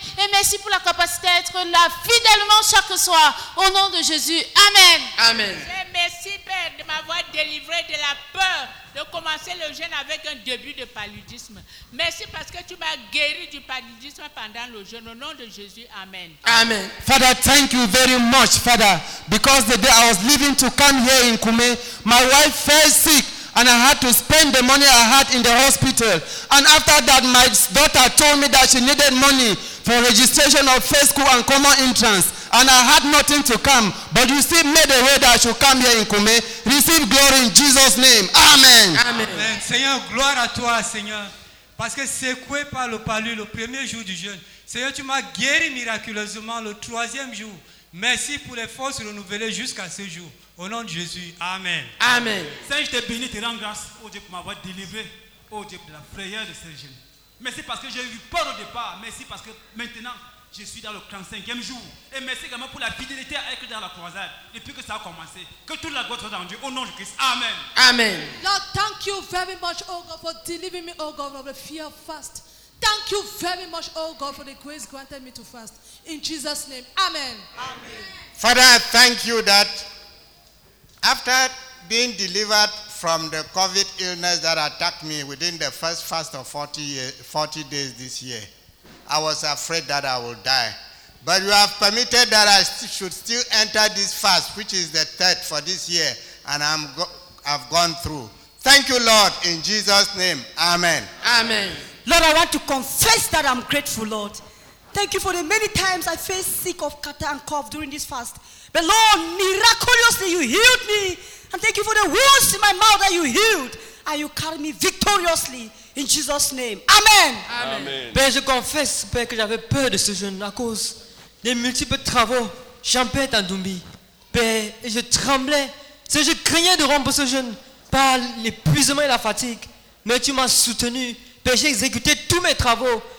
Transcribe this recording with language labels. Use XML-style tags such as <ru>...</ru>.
<fr>Et merci pour la capacité à être là fidèlement chaque soir. Au nom de Jésus. Amen. Amen. Seigneur, merci Père de m'avoir délivré de la peur de commencer le jeûne avec un début de paludisme. Merci parce que tu m'as guéri du paludisme pendant le jeûne. Au nom de Jésus, amen. Amen.</fr> <en>Father, thank you very much, Father. Because the day I was leaving to come here in Kume, my wife fell sick and I had to spend the money I had in the hospital. And after that, my daughter told me that she needed money for registration of first school and common entrance. And I had nothing to come. But you still made a way that I should come here in Kume. Receive glory in Jesus' name. Amen. Amen. Amen.</en> <fr>Seigneur, gloire à toi, Seigneur. Parce que secoué par le palud le premier jour du jeûne, Seigneur, tu m'as guéri miraculeusement le 3e jour. Merci pour les forces renouvelées jusqu'à ce jour. Au nom de Jésus. Amen. Amen. Seigneur, je te bénis, te rends grâce, ô Dieu, pour m'avoir délivré, ô Dieu, de la frayeur de ce jeûne. Merci parce que j'ai eu peur au départ. Merci parce que maintenant, je suis dans le 35e jour. Et merci également pour la fidélité à être dans la croisade. Depuis que ça a commencé, que toute la gloire soit rendue. Au nom de Christ. Amen. Amen.</fr> <en>Lord, thank you very much, oh God, for delivering me, oh God, from the fear of fast. Thank you very much, oh God, for the grace granted me to fast. In Jesus' name. Amen. Amen. Father, I thank you that after being delivered from the COVID illness that attacked me within the first fast of 40 days this year, I was afraid that I will die. But you have permitted that I should still enter this fast, which is the third for this year, and I've gone through. Thank you, Lord, in Jesus' name. Amen. Amen. Lord, I want to confess that I'm grateful, Lord. Thank you for the many times I faced sick of catarrh and cough during this fast. But Lord, miraculously you healed me. And thank you for the wounds in my mouth that you healed. And you carried me victoriously in Jesus' name. Amen. Amen.</en> <fr>Ben, je confesse, Père, que j'avais peur de ce jeûne à cause des multiples travaux. J'en perds en Doumbi. Père, je tremblais. C'est je craignais de rompre ce jeûne par l'épuisement et la fatigue. Mais tu m'as soutenu. Père, j'ai exécuté tous mes travaux.</fr>